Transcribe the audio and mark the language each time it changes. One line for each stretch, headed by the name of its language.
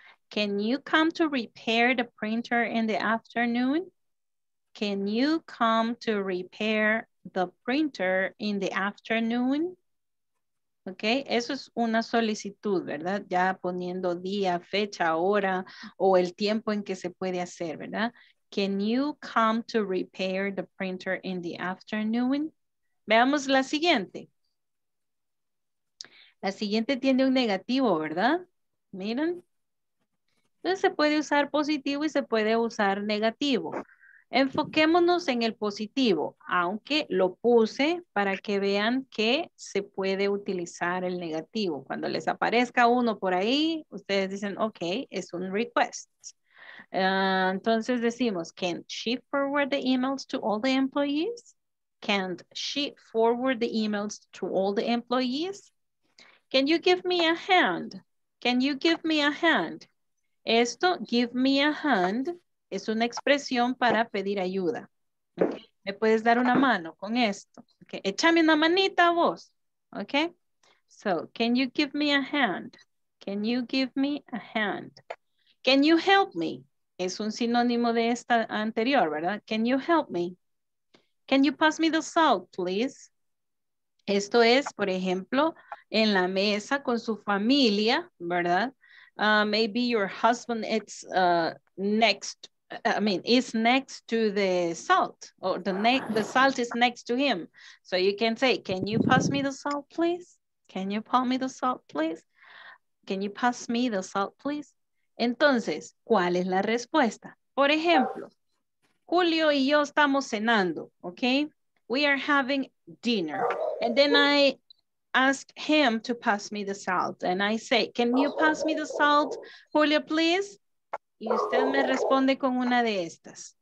English: Can you come to repair the printer in the afternoon? Can you come to repair the printer in the afternoon?
Spanish: Ok, eso es una solicitud, ¿verdad? Ya poniendo día, fecha, hora o el tiempo en que se puede hacer, ¿verdad?
English: Can you come to repair the printer in the afternoon?
Spanish: Veamos la siguiente. La siguiente tiene un negativo, ¿verdad? Miren. Entonces se puede usar positivo y se puede usar negativo. Enfoquémonos en el positivo, aunque lo puse para que vean que se puede utilizar el negativo. Cuando les aparezca uno por ahí, ustedes dicen, ok, es un request. Entonces decimos,
English: can't she forward the emails to all the employees? Can't she forward the emails to all the employees? Can you give me a hand? Can you give me a hand?
Spanish: Esto,
English: give me a hand,
Spanish: es una expresión para pedir ayuda. Okay. ¿Me puedes dar una mano con esto? Okay. Échame una manita a vos. Okay.
English: So, can you give me a hand? Can you give me a hand? Can you help me?
Spanish: Es un sinónimo de esta anterior, ¿verdad?
English: Can you help me? Can you pass me the salt, please?
Spanish: Esto es, por ejemplo, en la mesa con su familia, ¿verdad?
English: Maybe your husband is next to the salt, or the salt is next to him. So you can say, can you pass me the salt, please? Can you pass me the salt, please? Can you pass me the salt, please?
Spanish: Entonces, ¿cuál es la respuesta? Por ejemplo, Julio y yo estamos cenando, okay?
English: We are having dinner, and then I ask him to pass me the salt. And I say, can you pass me the salt, Julio, please?
Spanish: Y usted me responde con una de estas.